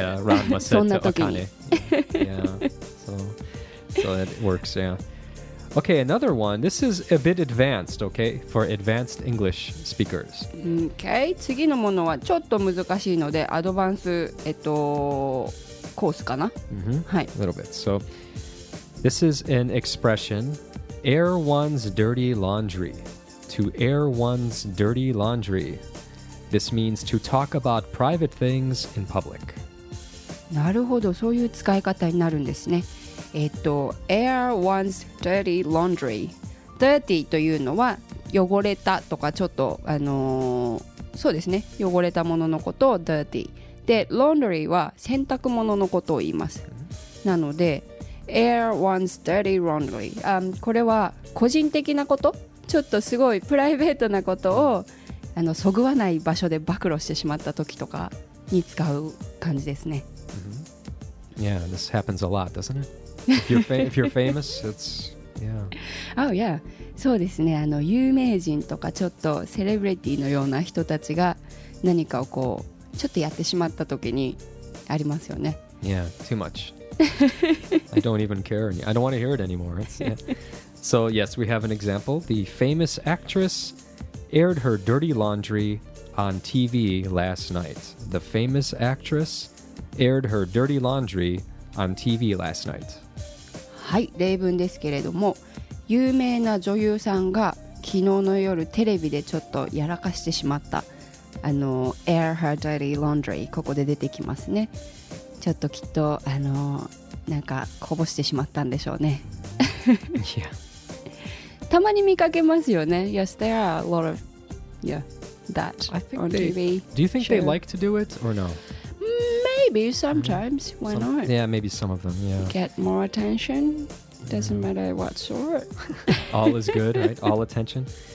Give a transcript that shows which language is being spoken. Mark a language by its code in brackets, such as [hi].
[en] Yeah, Ron must have said to Akane. Yeah, so it works, yeah. Okay, another one. This is a bit advanced, okay? For advanced English speakers. [ja] Okay, 次のものはちょっと難しいので、アドバンス、コースかな、 [en] mm-hmm. [ja] はい。 [en] A little bit. So, this is an expression, air one's dirty laundry. To air one's dirty laundry. This means to talk about private things in public. [ja] なるほど、そういう使い方になるんですね。 [en] Air one's dirty laundry. [ja] Dirty というのは汚れたとかちょっと、そうですね、汚れたもののことを dirty で、 laundry は洗濯物のことを言います。なので [en] Air one's dirty laundry、 [ja] これは個人的なこと、ちょっとすごいプライベートなことをあのそぐわない場所で暴露してしまった時とかに使う感じですね。 [en] Yeah, this happens a lot, doesn't itIf you're famous, it's, yeah. Oh, yeah. [ja] そうですね。あの、有名人とかちょっとセレブリティのような人たちが何かをこうちょっとやってしまった時にありますよね。 [en] Yeah, too much. I don't even care. I don't want to hear it anymore. It's, yeah. So, yes, we have an example. The famous actress aired her dirty laundry on TV last night. The famous actress aired her dirty laundry on TV last night. [ja] はい、例文ですけれども、有名な女優さんが昨日の夜テレビでちょっとやらかしてしまった、あの [en] air her dirty laundry、 [ja] ここで出てきますね。ちょっときっとあのなんかこぼしてしまったんでしょうね。 [en] Yeah. [ja] たまに見かけますよね。 [en] Yes, there are a lot of that on TV. Do you think they like to do it or no? Maybe sometimes, why not? Yeah, maybe some of them, yeah. Get more attention, doesn't matter what sort. All is good, right? All attention.